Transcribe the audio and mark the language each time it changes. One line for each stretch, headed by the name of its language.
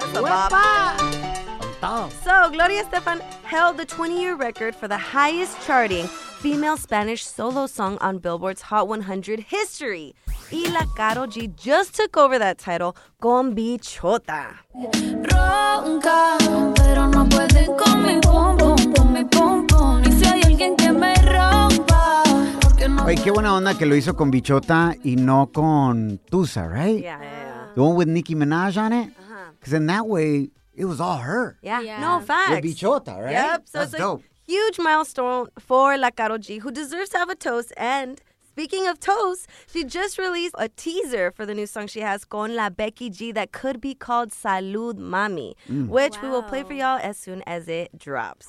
English: So, Gloria Estefan held the 20-year record for the highest charting female Spanish solo song on Billboard's Hot 100 history. Y La Karol G just took over that title con Bichota.
Spanish: Ronca, pero no puede con mi pom pom, con mi pom pom. Y si hay alguien que me rompa. Oye, qué buena onda que lo hizo con Bichota y no con Tusa, right?
English: Yeah. The one with Nicki Minaj on it? Because in that way, it was all her. Yeah. No, facts. With Bichota, right? Yep. So that's dope. Huge milestone for La Karol G, who deserves to have a toast. And speaking of toasts, she just released a teaser for the new song she has con La Becky G that could be called Salud Mami, which we will play for y'all as soon as it drops.